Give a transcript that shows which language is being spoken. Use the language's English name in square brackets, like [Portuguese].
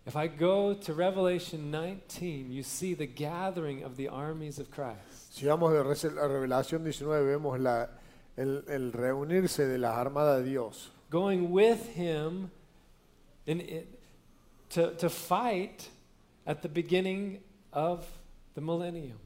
[English] If I go to Revelation 19, you see the gathering of the armies of Christ. [Spanish] Si vamos a Revelación 19, vemos el reunirse de las armadas de Dios. [English] Going with him to fight at the beginning of the millennium.